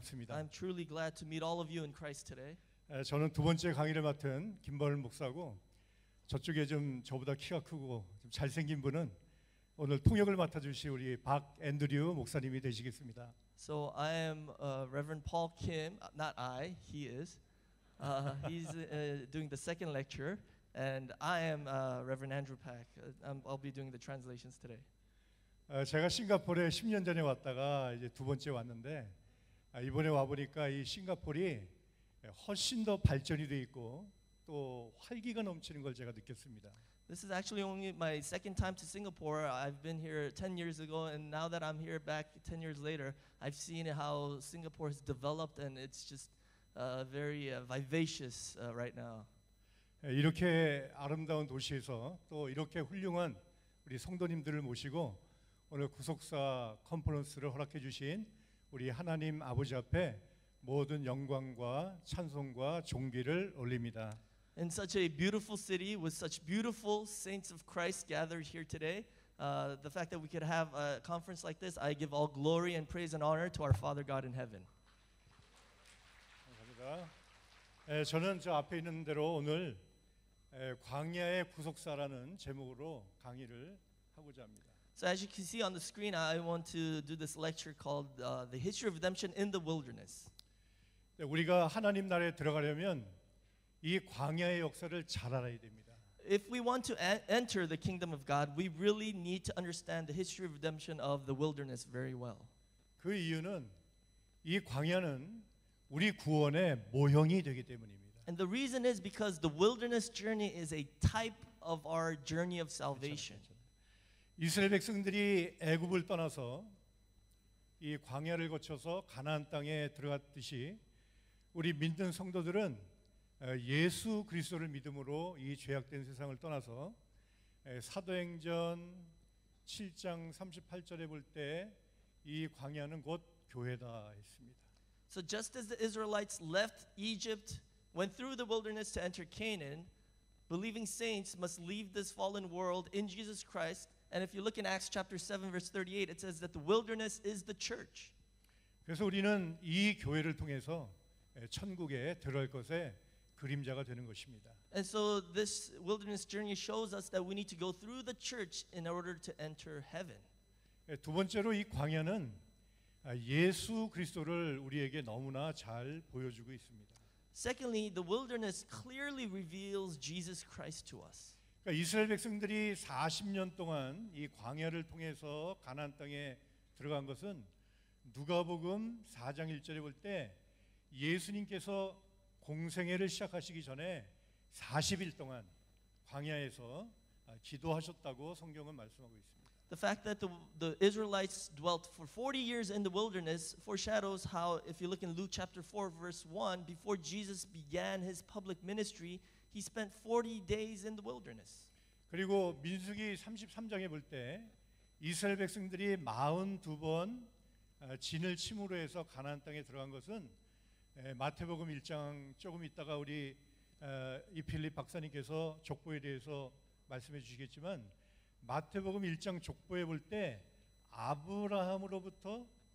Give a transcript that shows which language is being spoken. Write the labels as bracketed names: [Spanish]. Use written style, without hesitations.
[English] I'm truly glad to meet all of you in Christ today. [Korean] 저는 두 번째 강의를 맡은 김벌 목사고 저쪽에 좀 저보다 키가 크고 좀 잘생긴 분은 오늘 통역을 맡아주실 우리 박 앤드류 목사님이 되시겠습니다. [English] So I am Reverend Paul Kim. Not I. He is. He's doing the second lecture. And I am Reverend Andrew Pack. I'll be doing the translations today. [Korean] 제가 싱가포르에 10년 전에 왔다가 이제 두 번째 왔는데 이번에 와 보니까 이 싱가포르이 훨씬 더 발전이 돼 있고 또 활기가 넘치는 걸 제가 느꼈습니다. [English] This is actually only my second time to Singapore. I've been here 10 years ago, and now that I'm here back 10 years later, I've seen how Singapore has developed, and it's just very vivacious right now. [Korean] 이렇게 아름다운 도시에서 또 이렇게 훌륭한 우리 성도님들을 모시고 오늘 구속사 컨퍼런스를 허락해 주신 우리 하나님 아버지 앞에 모든 영광과 찬송과 존귀를 올립니다. [English] In such a beautiful city with such beautiful saints of Christ gathered here today, the fact that we could have a conference like this, I give all glory and praise and honor to our Father God in heaven. [Korean] 감사합니다. 저는 저 앞에 있는 대로 오늘 광야의 구속사라는 제목으로 강의를 하고자 합니다. [English] So as you can see on the screen, I want to do this lecture called The History of Redemption in the Wilderness. [Korean] 우리가 하나님 나라에 들어가려면 이 광야의 역사를 잘 알아야 됩니다. [English] If we want to enter the kingdom of God, we really need to understand the history of redemption of the wilderness very well. [Korean] 그 이유는 이 광야는 우리 구원의 모형이 되기 때문입니다. [English] And the reason is because the wilderness journey is a type of our journey of salvation. [Korean] 이스라엘 백성들이 애굽을 떠나서 이 광야를 거쳐서 가나안 땅에 들어갔듯이 우리 믿는 성도들은 예수 그리스도를 믿음으로 이 죄악된 세상을 떠나서 사도행전 7장 38절에 볼 때 이 광야는 곧 교회다 했습니다. [English] So just as the Israelites left Egypt, went through the wilderness to enter Canaan, believing saints must leave this fallen world in Jesus Christ. And if you look in Acts chapter 7, verse 38, it says that the wilderness is the church. [Korean] 그래서 우리는 이 교회를 통해서 천국에 들어갈 것에 그림자가 되는 것입니다. [English] And so this wilderness journey shows us that we need to go through the church in order to enter heaven. [Korean] 두 번째로 이 광야는 예수 그리스도를 우리에게 너무나 잘 보여주고 있습니다. [English] Secondly, the wilderness clearly reveals Jesus Christ to us. [Korean] 그러니까 이스라엘 백성들이 40년 동안 이 광야를 통해서 가나안 땅에 들어간 것은 누가복음 4장 1절에 볼 때 예수님께서 공생애를 시작하시기 전에 40일 동안 광야에서 기도하셨다고 성경은 말씀하고 있습니다. [English] The fact that the Israelites dwelt for 40 years in the wilderness foreshadows how, if you look in Luke chapter 4, verse 1, before Jesus began his public ministry, he spent 40 days in the wilderness. [Korean] 그리고 민수기 33장에 볼 때 이스라엘 백성들이 42번 진을 침으로 해서 가나안 땅에 들어간 것은 마태복음 1장 조금 있다가 우리 이필립 박사님께서 족보에 대해서 말씀해 주시겠지만 마태복음 1장 족보에 볼 때 아브라함으로부터